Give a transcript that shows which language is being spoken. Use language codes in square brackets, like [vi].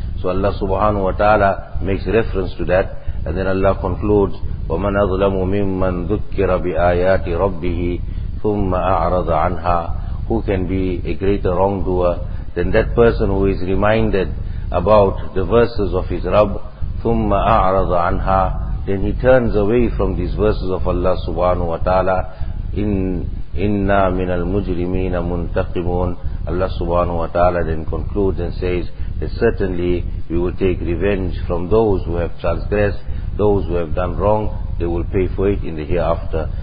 [en] So Allah subhanahu wa ta'ala makes reference to that, and then Allah concludes, [ar] وَمَنْ أَظْلَمُ مِمَّنْ ذُكِّرَ بِآيَاتِ رَبِّهِ ثُمَّ أَعْرَضَ عَنْهَا. [en] Who can be a greater wrongdoer than that person who is reminded about the verses of his Rabb, [ar] ثُمَّ أَعْرَضَ عَنْهَا, [en] then he turns away from these verses of Allah subhanahu wa ta'ala. [ar] Inna مِنَ الْمُجْرِمِينَ مُنْتَقِمُونَ. [en] Allah subhanahu wa ta'ala then concludes and says that certainly we will take revenge from those who have transgressed, those who have done wrong, they will pay for it in the hereafter.